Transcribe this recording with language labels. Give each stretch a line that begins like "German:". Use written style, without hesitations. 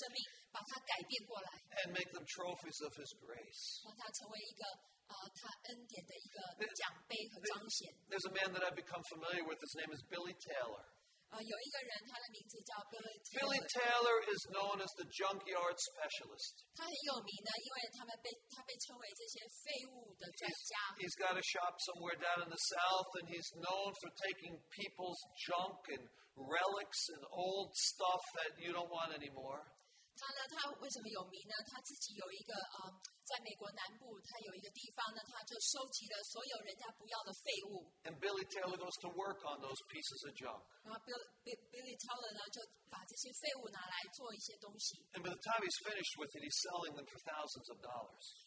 Chinese: 他喜欢做的就是把一个搞砸的生命把它改变过来，
English: and make them trophies of His grace.
Chinese: 让它成为一个 他恩典的一个奖杯和彰显。
English: There's a man that I've become familiar with. His name is Billy Taylor.
Chinese: 有一个人，他的名字叫Billy Taylor。
English: Billy Taylor is known as the junkyard specialist.
Chinese: 他很有名的，因为他被称为这些废物的专家。
English: He's got a shop somewhere down in the south, and he's known for taking people's junk and relics and old stuff that you don't want anymore.
Chinese: 他为什么有名呢？他自己有一个 在美国南部，他有一个地方呢，他就收集了所有人家不要的废物。
English: And Billy Taylor goes to work on those pieces of junk.
Chinese: 然后Billy Taylor 呢，就把这些废物拿来做一些东西。
English: And by the time he's finished with it, he's selling them for thousands of dollars.